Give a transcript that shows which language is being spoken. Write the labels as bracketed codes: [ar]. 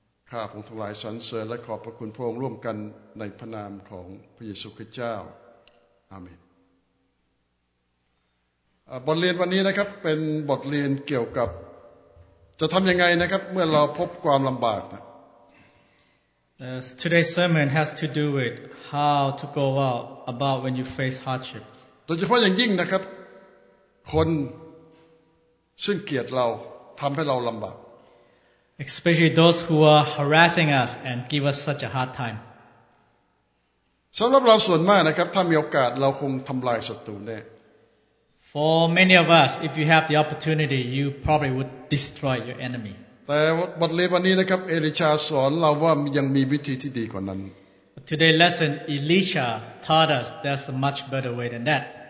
[th] ข้าพระองค์ทั้งหลายสรรเสริญและขอบพระคุณพระองค์ร่วมกันในพระนามของพระเยซูคริสต์เจ้าอาเมนบทเรียนวันนี้นะครับเป็นบทเรียนเกี่ยวกับจะทำยังไงนะครับเมื่อเราพบความลำบากนะ [en] Today's sermon has to do with how to go out about when you face hardship. [th] โดยเฉพาะอย่างยิ่งนะครับคนซึ่งเกลียดเราทำให้เราลำบาก [en] Especially those who are harassing us and give us such a hard time. [th] สำหรับเราส่วนมากนะครับถ้ามีโอกาสเราคงทำลายศัตรูแน่ [en] For many of us, if you have the opportunity, you probably would destroy your enemy. But today's lesson, Elisha taught us there's a much better way than that.